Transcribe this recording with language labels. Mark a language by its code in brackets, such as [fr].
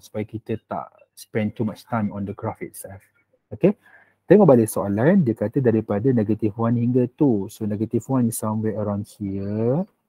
[ms] Supaya kita tak [en] spend too much time on the graph itself. [ms] Okay. Tengok balik soalan. Dia kata daripada negative 1 hingga 2. [en] So negative 1 is somewhere around here.